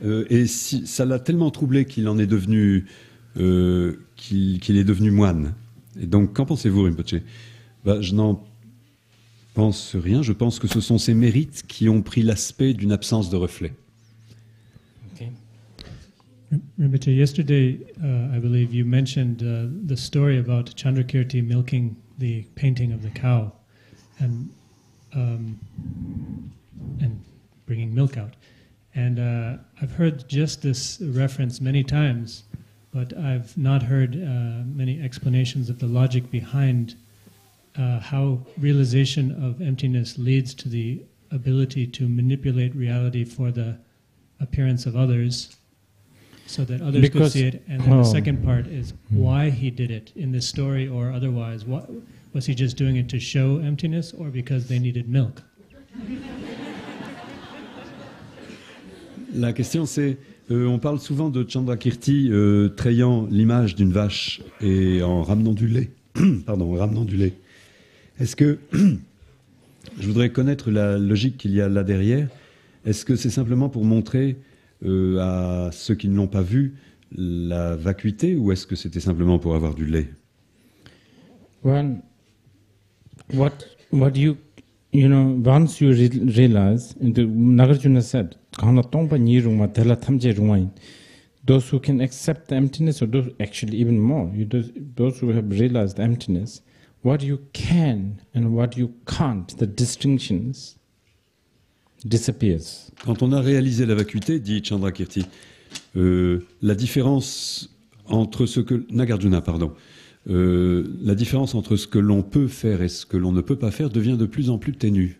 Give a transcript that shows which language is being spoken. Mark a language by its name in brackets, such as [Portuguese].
[French] Et si, ça l'a tellement troublé qu'il en est devenu... qu'il est devenu moine. Et donc, qu'en pensez-vous, Rinpoche? Je n'en pense rien. Je pense que ce sont ses mérites qui ont pris l'aspect d'une absence de reflet. [English] Okay. Rinpoche, yesterday, I believe you mentioned the story about Chandrakirti milking the painting of the cow and bringing milk out. And I've heard just this reference many times, but I've not heard many explanations of the logic behind how realization of emptiness leads to the ability to manipulate reality for the appearance of others, so that others could see it. And then the second part is why he did it in this story or otherwise. What, was he just doing it to show emptiness or because they needed milk? [French] La question c'est... on parle souvent de Chandrakirti trayant l'image d'une vache et en ramenant du lait. Pardon, ramenant du lait. Est-ce que, je voudrais connaître la logique qu'il y a là derrière, est-ce que c'est simplement pour montrer à ceux qui ne l'ont pas vu la vacuité, ou est-ce que c'était simplement pour avoir du lait? [English] Well, what do you... You know, once you realize, Nagarjuna said, those who can accept the emptiness, or those, actually even more, those who have realized the emptiness, what you can and what you can't, the distinctions, disappears. [French] Quand on a réalisé la vacuité, dit Chandrakirti, la différence entre ce que... Nagarjuna, pardon. La différence entre ce que l'on peut faire et ce que l'on ne peut pas faire devient de plus en plus ténue.